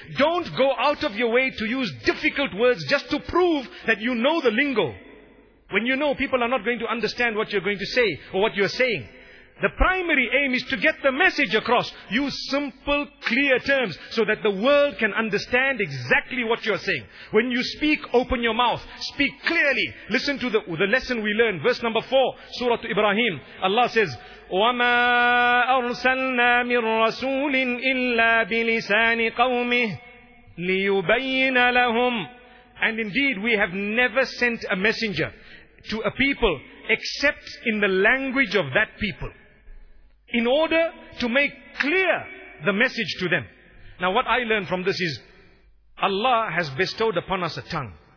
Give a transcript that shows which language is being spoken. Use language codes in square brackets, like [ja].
[en] Don't go out of your way to use difficult words just to prove that you know the lingo, when you know people are not going to understand what you're going to say or what you're saying. The primary aim is to get the message across. Use simple, clear terms so that the world can understand exactly what you're saying. When you speak, open your mouth. Speak clearly. Listen to the lesson we learned. Verse number 4, Surah Ibrahim. Allah says, [ar] وَمَا أَرْسَلْنَا مِن رَّسُولٍ إِلَّا بِلِسَانِ قَوْمِهِ لِيُبَيِّنَ لَهُمْ. [en] And indeed, we have never sent a messenger to a people except in the language of that people, in order to make clear the message to them. Now what I learned from this is, Allah has bestowed upon us a tongue.